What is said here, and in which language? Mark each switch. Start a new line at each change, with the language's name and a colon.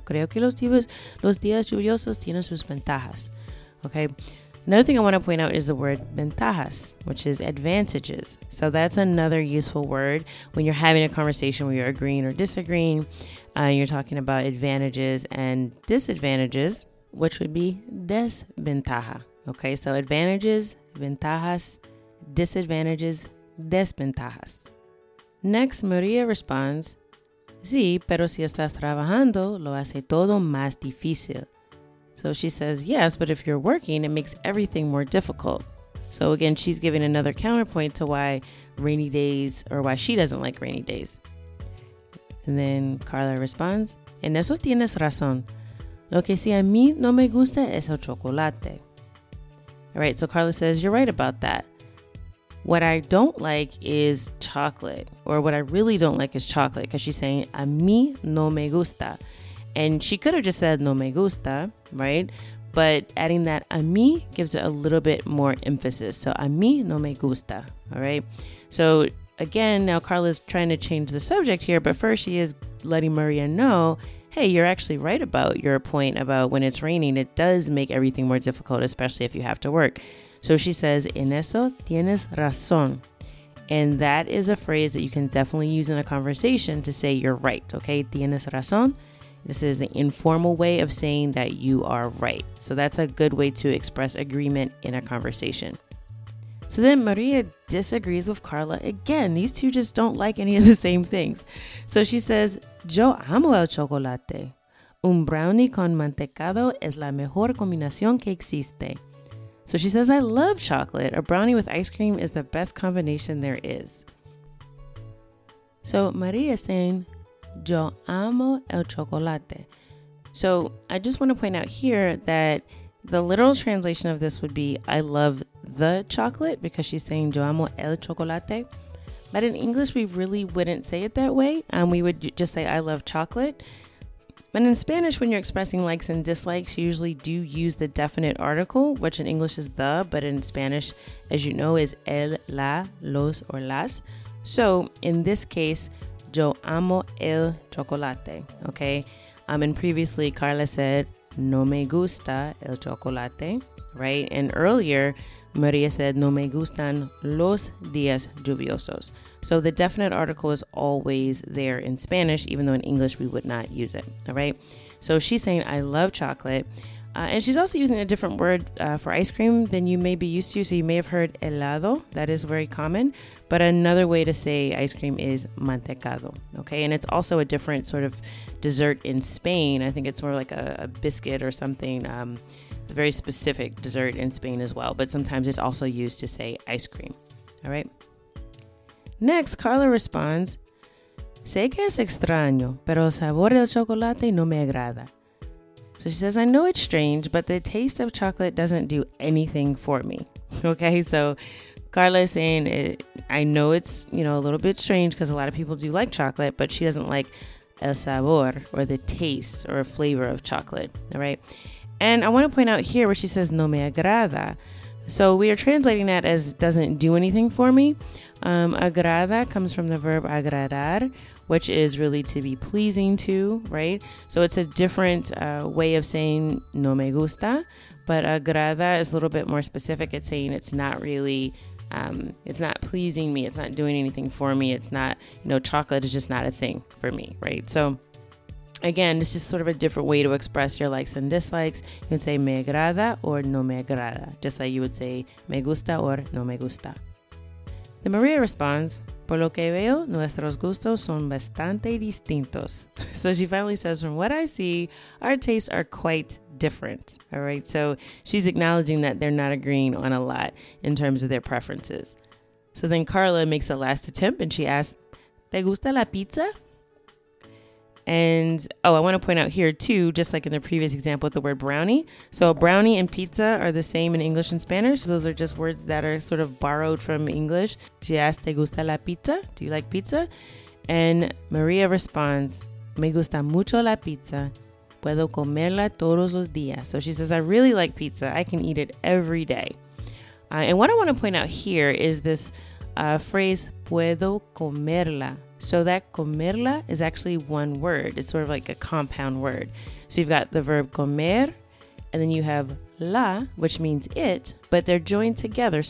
Spanish: Creo que los días lluviosos tienen sus ventajas.
English: Okay, another thing I want to point out is the word ventajas, which is advantages. So that's another useful word when you're having a conversation where you're agreeing or disagreeing. You're talking about advantages and disadvantages, which would be desventaja. Okay, so advantages, ventajas, disadvantages, desventajas. Next, María responds,
Spanish: sí, pero si estás trabajando, lo hace todo más difícil.
English: So she says, yes, but if you're working, it makes everything more difficult. So again, she's giving another counterpoint to why rainy days, or why she doesn't like rainy days. And then Carla responds,
Spanish: en eso tienes razón. Lo que sí a mí no me gusta es el chocolate.
English: All right, so Carla says, you're right about that. What I don't like is chocolate, or what I really don't like is chocolate, because she's saying,
Spanish: a mí no me gusta.
English: And she could have just said,
Spanish: no me gusta,
English: right? But adding that
Spanish: a mí
English: gives it a little bit more emphasis. So
Spanish: a mí no me gusta,
English: all right? So again, now Carla's trying to change the subject here, but first she is letting María know, hey, you're actually right about your point about when it's raining, it does make everything more difficult, especially if you have to work. So she says,
Spanish: en eso tienes razón.
English: And that is a phrase that you can definitely use in a conversation to say you're right, okay?
Spanish: Tienes razón.
English: This is the informal way of saying that you are right. So that's a good way to express agreement in a conversation. So then Maria disagrees with Carla again. These two just don't like any of the same things. So she says,
Spanish: yo amo el chocolate. Un brownie con mantecado es la mejor combinación que existe.
English: So she says, I love chocolate. A brownie with ice cream is the best combination there is. So Maria is saying,
Spanish: yo amo el chocolate.
English: So I just want to point out here that the literal translation of this would be, I love the chocolate, because she's saying,
Spanish: yo amo el chocolate.
English: But in English, we really wouldn't say it that way. We would just say, I love chocolate. But in Spanish, when you're expressing likes and dislikes, you usually do use the definite article, which in English is the, but in Spanish, as you know, is el, la, los, or las. So in this case,
Spanish: yo amo el chocolate,
English: okay? And previously, Carla said,
Spanish: no me gusta el chocolate,
English: right? And earlier, Maria said,
Spanish: no me gustan los días lluviosos.
English: So the definite article is always there in Spanish, even though in English we would not use it, all right? So she's saying, I love chocolate. And she's also using a different word for ice cream than you may be used to. So you may have heard helado. That is very common. But another way to say ice cream is mantecado. Okay. And it's also a different sort of dessert in Spain. I think it's more like a biscuit or something. A very specific dessert in Spain as well. But sometimes it's also used to say ice cream. All right. Next, Carla responds,
Spanish: sé que es extraño, pero el sabor del chocolate no me agrada.
English: So she says, I know it's strange, but the taste of chocolate doesn't do anything for me. Okay, so Carla is saying, I know it's, you know, a little bit strange because a lot of people do like chocolate, but she doesn't like el sabor or the taste or flavor of chocolate, all right? And I want to point out here where she says,
Spanish: no me agrada.
English: So we are translating that as doesn't do anything for me. Agrada comes from the verb agradar, which is really to be pleasing to, right? So it's a different way of saying
Spanish: no me gusta,
English: but agrada is a little bit more specific. It's saying it's not really, it's not pleasing me. It's not doing anything for me. It's not, you know, chocolate is just not a thing for me, right? So again, it's just sort of a different way to express your likes and dislikes. You can say
Spanish: me agrada
English: or
Spanish: no me agrada,
English: just like you would say
Spanish: me gusta
English: or
Spanish: no me gusta.
English: Then Maria responds,
Spanish: por lo que veo, nuestros gustos son bastante distintos.
English: So she finally says, from what I see, our tastes are quite different. All right. So she's acknowledging that they're not agreeing on a lot in terms of their preferences. So then Carla makes a last attempt and she asks,
Spanish: ¿te gusta la pizza?
English: And, oh, I want to point out here too, just like in the previous example with the word brownie. So brownie and pizza are the same in English and Spanish. Those are just words that are sort of borrowed from English. She asks,
Spanish: ¿te gusta la pizza?
English: Do you like pizza? And Maria responds,
Spanish: me gusta mucho la pizza. Puedo comerla todos los días.
English: So she says, I really like pizza. I can eat it every day. And what I want to point out here is this phrase,
Spanish: puedo comerla.
English: So that comerla is actually one word. It's sort of like a compound word. So you've got the verb comer, and then you have la, which means it, but they're joined together.